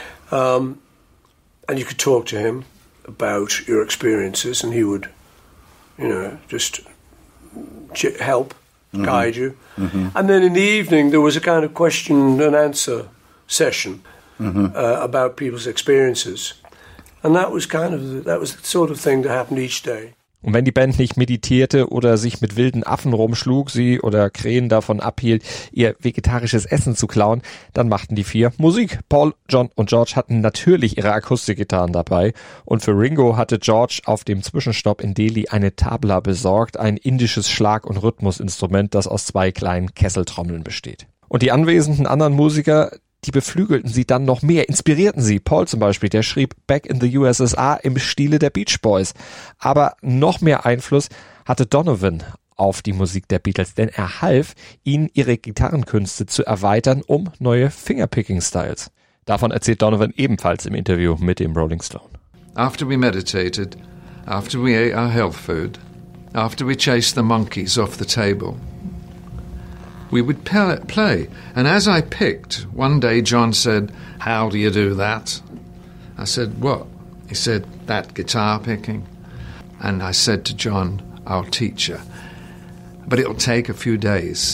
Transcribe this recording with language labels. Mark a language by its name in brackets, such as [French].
[English] And you could talk to him. About your experiences, and he would, you know, just help mm-hmm. guide you. Mm-hmm. And then in the evening, there was a kind of question and answer session mm-hmm. About people's experiences, and that was the sort of thing that happened each day. [German] Und wenn die Band nicht meditierte oder sich mit wilden Affen rumschlug, sie oder Krähen davon abhielt, ihr vegetarisches Essen zu klauen, dann machten die 4 Musik. Paul, John und George hatten natürlich ihre Akustikgitarren dabei. Und für Ringo hatte George auf dem Zwischenstopp in Delhi eine Tabla besorgt, ein indisches Schlag- und Rhythmusinstrument, das aus 2 kleinen Kesseltrommeln besteht. Und die anwesenden anderen Musiker, die beflügelten sie dann noch mehr, inspirierten sie. Paul zum Beispiel, der schrieb Back in the USSR im Stile der Beach Boys. Aber noch mehr Einfluss hatte Donovan auf die Musik der Beatles, denn er half, ihnen ihre Gitarrenkünste zu erweitern um neue Fingerpicking-Styles. Davon erzählt Donovan ebenfalls im Interview mit dem Rolling Stone. [English] After we meditated, after we ate our health food, after we chased the monkeys off the table, we would play, and as I picked, one day John said, how do you do that? I said, what? He said, that guitar picking. And I said to John, I'll teach you, but it'll take a few days.